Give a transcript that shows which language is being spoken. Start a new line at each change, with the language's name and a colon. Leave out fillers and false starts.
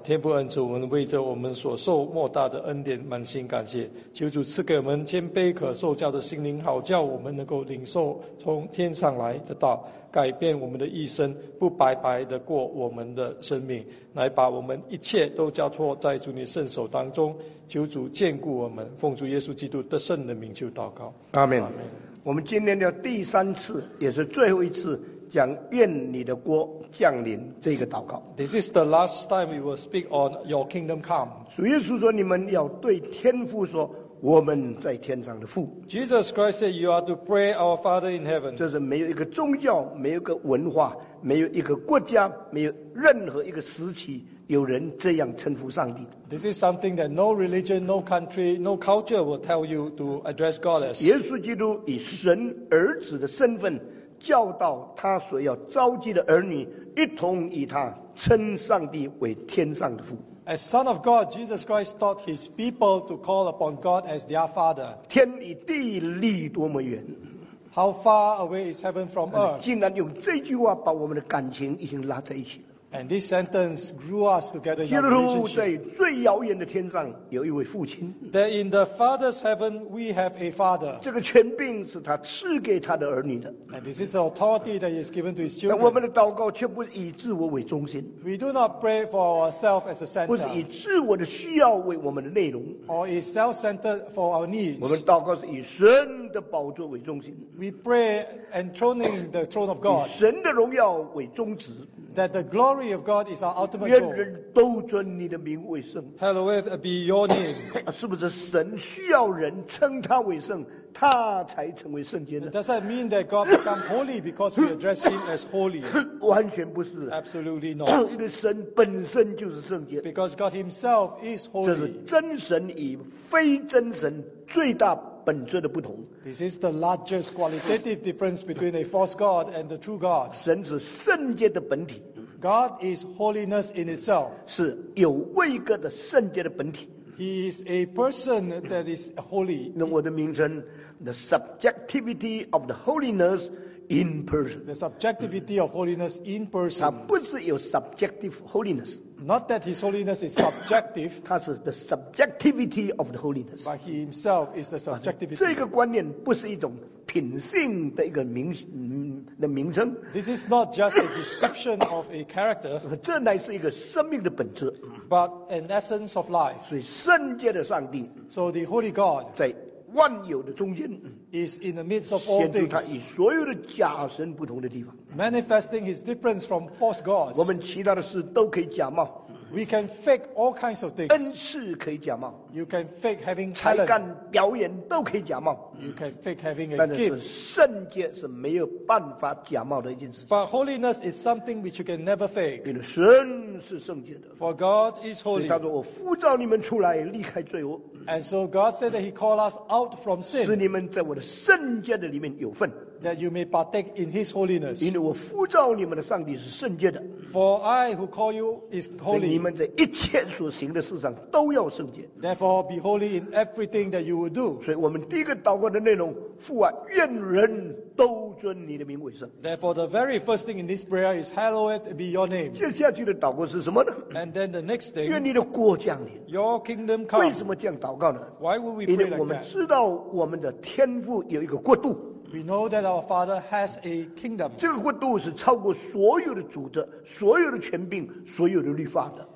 Chinese: 天父恩主，我们为着我们所受莫大的恩典满心感谢，求主赐给我们谦卑可受教的心灵，好叫我们能够领受从天上来的道，改变我们的一生，不白白的过我们的生命，来把我们一切都交托在主你圣手当中，求主眷顾我们，奉主耶稣基督得胜的名求祷告。阿们。我们今天的第三次也是最后一次讲愿你的国降临这个祷告。
English: This is the last time we will speak on your kingdom come.
Chinese: 主耶稣说你们要对天父说我们在天上的父。
English: Jesus Christ said you are to pray our Father in heaven.
Chinese: 这是没有一个宗教，没有一个文化，没有一个国家，没有任何一个时期有人这样称呼上帝。
English: This is something that no religion, no country, no culture will tell you to address God as.
Chinese: 耶稣基督以神儿子的身份教导他所要召集的儿女一同与他称上帝为天上的父。
English: As son of God, Jesus Christ taught his people to call upon God as their father.
Chinese: 天与地离多么远。
English: How far away is heaven from earth?
Chinese: 竟然用这句话把我们的感情已经拉在一起了。
English: And this sentence grew us together.
Chinese: 基督在最遥远的天上有一位父亲。
English: That in the Father's heaven we have a father.
Chinese: 这个权柄是他赐给他的儿女的。
English: And this is the authority that is given to his children.
Chinese: 我们的祷告却不是以自我为中心。
English: We do not pray for ourselves as a center.
Chinese: 不是以自我的需要为我们的内容。
English: Or is self-centered for our needs.
Chinese: 我们祷告是以神的宝座为中心。
English: We pray enthroning the throne of God.
Chinese: 以神的荣耀为宗旨。
English: That the glory of God is our ultimate goal.
Chinese: 愿人都尊你的名为圣。
English: Hallowed be your name.
Chinese: 是不是神需要人称他为圣，他才成为圣洁呢？
English: Does that mean that God become holy because we address him as holy?
Chinese: 完全不是。
English: Absolutely not.
Chinese: 因为神本身就是圣洁。
English: Because God himself is holy.
Chinese: 这是真神与非真神最大本质的不同。
English: This is the largest qualitative difference between a false God and the true God.
Chinese: 神是圣洁的本体。
English: God is holiness in itself.
Chinese: 是有位格的圣洁的本体。
English: He is a person that is holy.
Chinese: 用我的名称
English: ，the subjectivity of the holiness in person. The subjectivity of holiness in person.
Chinese: 他不是有
English: subjective holiness. Not that his holiness is subjective.
Chinese: 他是
English: the subjectivity of the holiness. But he himself is the subjectivity.
Chinese: 这个观念不是一种品性的一个名的名称。
English: This is not just a description of a character.
Chinese: 这乃是一个生命的本质。
English: But an essence of life.
Chinese: 所以圣洁的上帝。
English: So the holy God.
Chinese: 在万有的中间。
English: Is in the midst of all things.
Chinese: 显出他与所有的假神不同的地方。
English: Manifesting his difference from false gods.
Chinese: 我们其他的事都可以假冒。
English: We can fake all kinds of things.
Chinese: 恩赐可以假冒。
English: You can fake having talent.
Chinese: 才干表演都可以假冒。
English: You can fake having a
Chinese: 但是圣洁是没有办法假冒的一件事。
English: But holiness is something which you can never fake.
Chinese: 因为神是圣洁的。
English: For God is holy.
Chinese: 所以他说我呼召你们出来离开罪恶。
English: And so God said that he called us out from sin.
Chinese: 使你们在我的圣洁的里面有份。
English: That you may partake in His holiness.
Chinese: 因为我呼召你们的上帝是圣洁的。
English: For I who call you is holy.
Chinese: 你们在一切所行的事上都要圣洁。
English: Therefore, be holy in everything that you will do.
Chinese: 所以我们第一个祷告的内容，父啊，愿人都尊你的名为圣。
English: Therefore, the very first thing in this prayer is hallowed be your name.
Chinese: 接下去的祷告是什么呢？
English: And then the next thing.
Chinese: 愿你的国降临。
English: Your kingdom come.
Chinese: 为什么这样祷告呢？
English: Why would we pray like that?
Chinese: 因为我们知道我们的天父有一个国度。
English: We know that our Father has a kingdom.
Chinese: 这个国度是超过所有的主的，所有的权柄，所有的律法的。